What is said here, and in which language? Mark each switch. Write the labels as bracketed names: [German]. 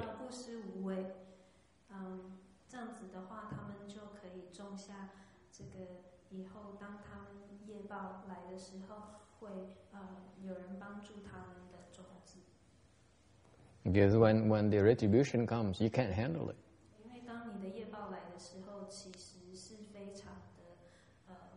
[Chinese] 不失无畏，这样子的话，他们就可以种下这个，以后当他们业报来的时候，会有人帮助他们的种子。 [English] Because when the retribution comes, you can't handle it. [Chinese] 因为当你的业报来的时候，其实是非常的